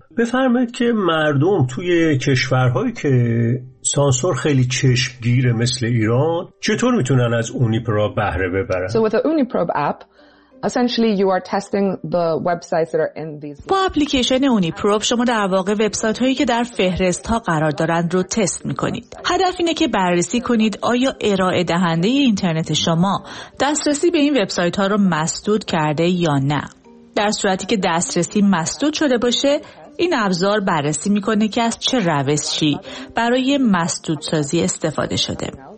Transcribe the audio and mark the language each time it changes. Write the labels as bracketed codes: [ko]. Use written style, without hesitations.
[fa] بفرمایید که مردم توی کشورهایی که سانسور خیلی چشمگیره مثل ایران چطور میتونن از اونیپراب بهره ببرن؟ [en] So with the Uniprobe app, essentially you are testing the websites that are in these. [fa] با اپلیکیشن اونیپروب شما در واقع وبسایت‌هایی که در فهرست‌ها قرار دارند رو تست می‌کنید. هدف اینه که بررسی کنید آیا ارائه دهنده اینترنت شما دسترسی به این وبسایت‌ها رو مسدود کرده یا نه. در صورتی که دسترسی مسدود شده باشه، این ابزار بررسی می‌کنه که از چه روشی برای مسدودسازی استفاده شده.